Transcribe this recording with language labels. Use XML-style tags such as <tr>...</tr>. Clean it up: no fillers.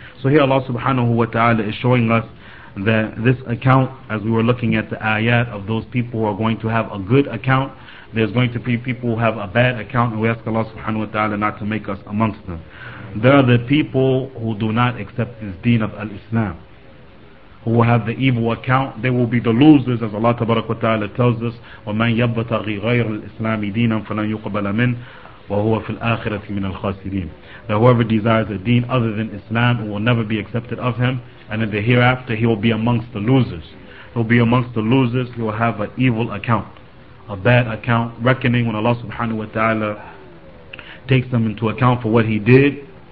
<en>So here Allah subhanahu wa ta'ala is showing us that this account, as we were looking at the ayat of those people who are going to have a good account, there's going to be people who have a bad account, and we ask Allah subhanahu wa ta'ala not to make us amongst them. There are the people who do not accept this deen of al-Islam, who will have the evil account. They will be the losers, as Allah tabarak wa ta'ala tells us,</en> <ar>وَمَنْ يَبْتَغِي غَيْرَ الْإِسْلَامِ دِينًا فَلَنْ يُقْبَلَ مِنْ وَهُوَ فِي الْآخِرَةِ مِنَ الْخَاسِرِينَ.</ar> <en>That whoever desires a deen other than Islam, it will never be accepted of him, and in the hereafter he will be amongst the losers. He will have an evil account, a bad account, reckoning when Allah subhanahu wa ta'ala takes them into account for what he did.</en>